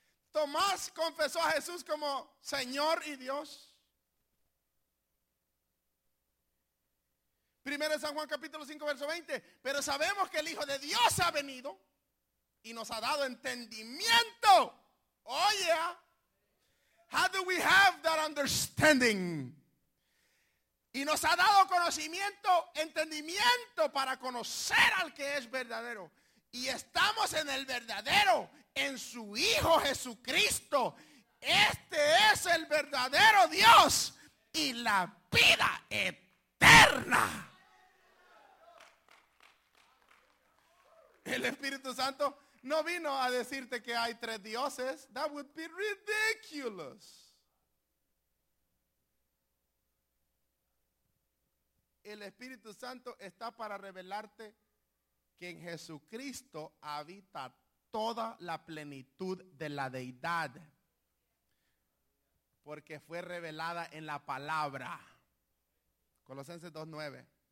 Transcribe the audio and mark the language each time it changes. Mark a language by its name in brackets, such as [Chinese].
[Spanish] Tomás confesó a Jesús como Señor y Dios. Primero de San Juan capítulo 5 verso 20. Pero sabemos que el Hijo de Dios ha venido y nos ha dado entendimiento. Oye, [English] how do we have that understanding? [Spanish] Y nos ha dado conocimiento, entendimiento para conocer al que es verdadero. Y estamos en el verdadero, en su Hijo Jesucristo. Este es el verdadero Dios y la vida eterna. El Espíritu Santo no vino a decirte que hay tres dioses. [English] That would be ridiculous. [Spanish] El Espíritu Santo está para revelarte que en Jesucristo habita toda la plenitud de la Deidad. Porque fue revelada en la palabra. Colosenses 2:9.